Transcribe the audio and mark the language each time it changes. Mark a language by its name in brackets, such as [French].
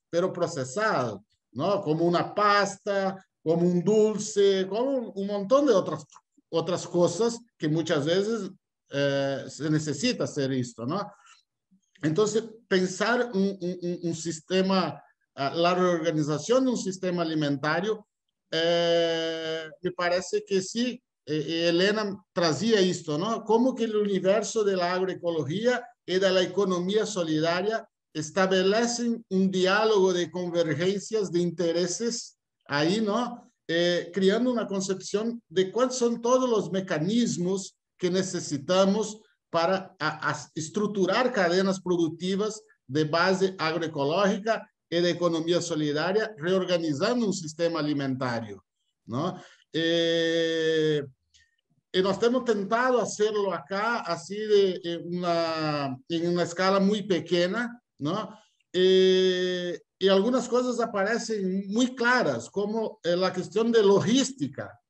[Spanish] Pero procesado, ¿no? Como una pasta, como un dulce, como un montón de otras cosas que muchas veces se necesita hacer esto, ¿no? Entonces, pensar un sistema, la reorganización de un sistema alimentario, me parece que sí. [Portuguese] Elena trazia isto, não? Como que o universo da agroecologia e da economia solidária estabelecem um diálogo de convergências de interesses aí, não? Criando uma concepção de quais são todos os mecanismos que necessitamos para estruturar cadenas produtivas de base agroecológica e de economia solidária, reorganizando um sistema alimentário, não? [Spanish] Y nos hemos tentado hacerlo acá, así en una escala muy pequeña, ¿no? Y algunas cosas aparecen muy claras, como la cuestión de logística.